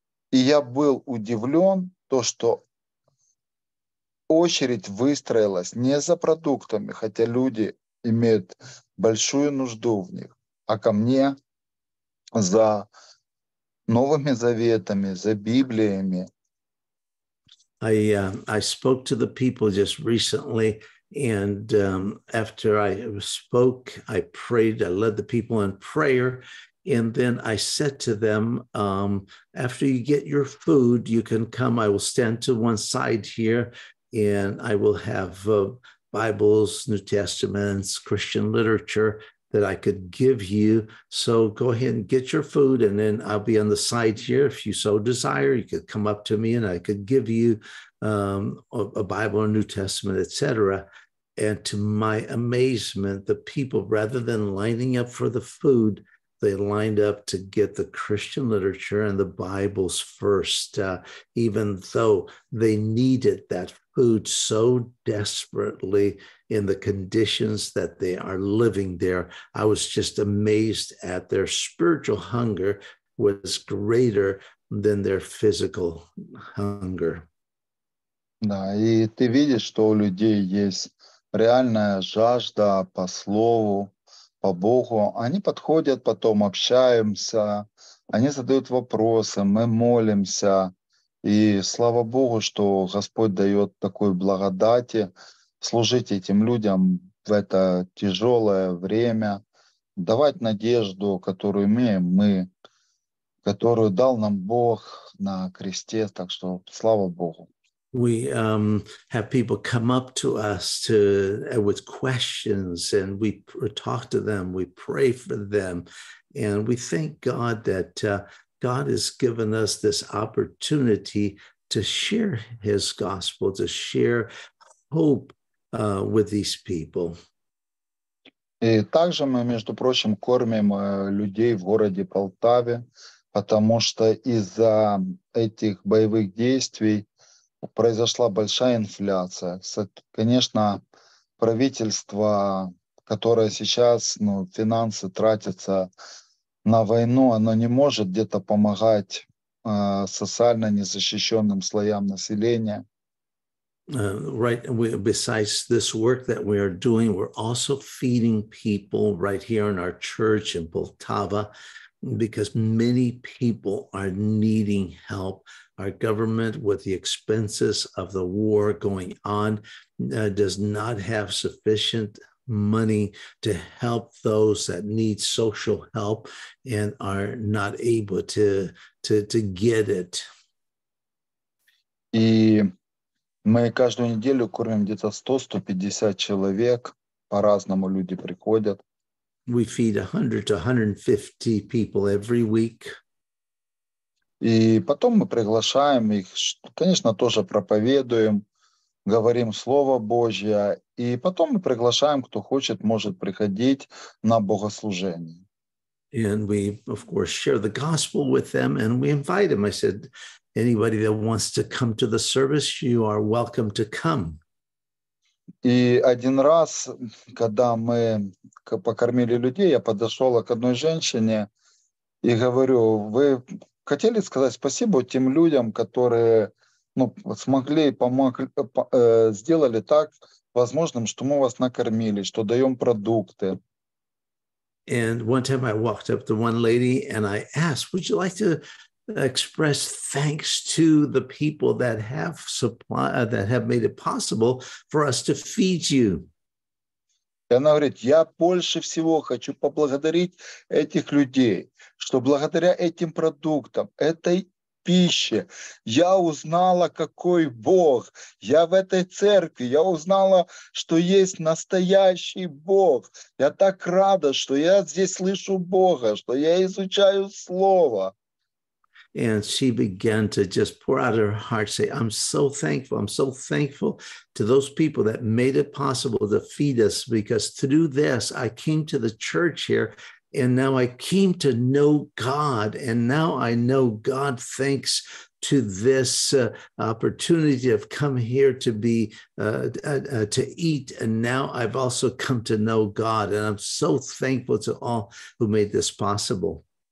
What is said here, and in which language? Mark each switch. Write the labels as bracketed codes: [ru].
[ru] И я был удивлен, то, что очередь выстроилась не за продуктами, хотя люди имеют большую нужду в них, а ко мне за Новыми Заветами, за Библиями. [en] I spoke to the people just recently. And after I spoke, I prayed, I led the people in prayer, and then I said to them, after you get your food, you can come, I will stand to one side here, and I will have Bibles, New Testaments, Christian literature that I could give you, so go ahead and get your food, and then I'll be on the side here, if you so desire, you could come up to me, and I could give you a Bible or New Testament, etc. And to my amazement, the people, rather than lining up for the food, they lined up to get the Christian literature and the Bibles first, even though they needed that food so desperately in the conditions that they are living there. I was just amazed at their spiritual hunger was greater than their physical hunger. [ru] Да, и ты видишь, что у людей есть реальная жажда по слову, по Богу. Они подходят, потом общаемся, они задают вопросы, мы молимся. И слава Богу, что Господь дает такой благодати служить этим людям в это тяжелое время, давать надежду, которую имеем мы, которую дал нам Бог на кресте. Так что слава Богу. [en] We have people come up to us to with questions, and we talk to them, we pray for them, and we thank God that God has given us this opportunity to share his gospel, to share hope with these people. [ru] И также мы, между прочим, кормим людей в городе Полтаве, потому что из-за этих боевых действий произошла большая инфляция. Конечно, правительство, которое сейчас, ну, финансы тратятся на войну, оно не может где-то помогать социально незащищенным слоям населения. [en] Right. Besides this work that we are doing, we're also feeding people right here in our church in Poltava, because many people are needing help. Our government, with the expenses of the war going on, does not have sufficient money to help those that need social help and are not able to get it. [ru] И мы каждую неделю кормим где-то 100-150 человек. По-разному люди приходят. [en] We feed 100 to 150 people every week. [ru] И потом мы приглашаем их, конечно, тоже проповедуем, говорим Слово Божье, и потом мы приглашаем, кто хочет, может приходить на богослужение. [en] And we, of course, share the gospel with them, and we invite them. I said, anybody that wants to come to the service, you are welcome to come. [ru] И один раз, когда мы покормили людей, я подошел к одной женщине и говорю, вы хотели сказать спасибо тем людям, которые, ну, смогли, помогли, сделали так возможным, что мы вас накормили, что даем продукты. [en] And one time I walked up to one lady and I asked, would you like to express thanks to the people that have supply, that have made it possible for us to feed you? [ru] И она говорит, я больше всего хочу поблагодарить этих людей, что благодаря этим продуктам, этой пище, я узнала, какой Бог. Я в этой церкви, я узнала, что есть настоящий Бог. Я так рада, что я здесь слышу Бога, что я изучаю Слово. [en] And she began to just pour out her heart, say, I'm so thankful to those people that made it possible to feed us, because through this, I came to the church here, and now I came to know God, and now I know God thanks to this opportunity of come here to be to eat, and now I've also come to know God, and I'm so thankful to all who made this possible.